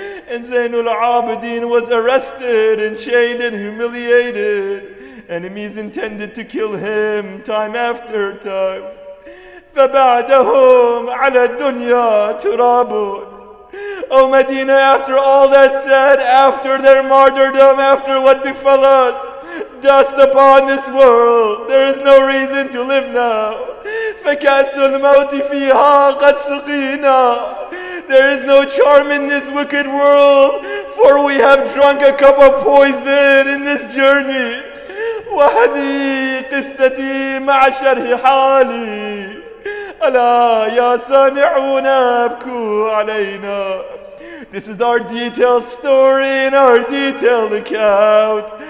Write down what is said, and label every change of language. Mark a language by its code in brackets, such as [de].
[en] And Zain al-Abidin was arrested and chained and humiliated. Enemies intended to kill him time after time. [ar] فبعدهم على الدنيا تراب. [en] O Medina, after all that said, after their martyrdom, after what befell us, dust upon this world, there is no reason to live now. [ar] فكأس الموت فيها قد سقينا. [en] There is no charm in this wicked world, for we have drunk a cup of poison in this journey. [ar] وهذه قصتي مع شرح حالي. ألا يا سامعون أبكوا علينا. [en] This is our detailed story and our detailed account.